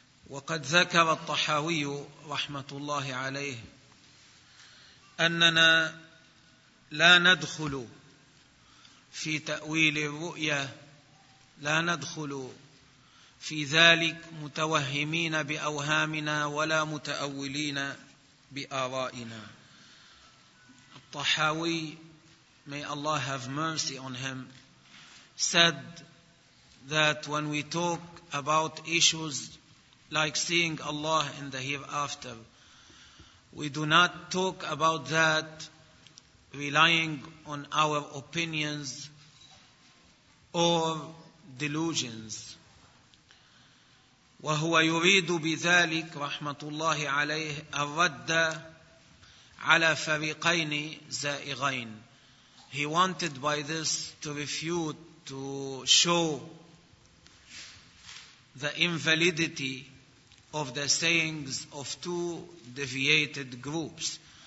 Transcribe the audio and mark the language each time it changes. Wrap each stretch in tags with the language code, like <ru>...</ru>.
<ar>وقد ذكر الطحاوي رحمة الله عليه أننا لا ندخل في تأويل الرؤية, لا ندخل في ذلك متوهمين بأوهامنا ولا متأولين بآرائنا.</ar> <en>الطحاوي, may Allah have mercy on him, said that when we talk about issues like seeing Allah in the hereafter, we do not talk about that relying on our opinions or delusions.</en> <ar>وهو يريد بذلك رحمة الله عليه الرد على فريقين زائغين.</ar> <en>He wanted by this to refute, to show the invalidity of the sayings of two deviated groups.</en>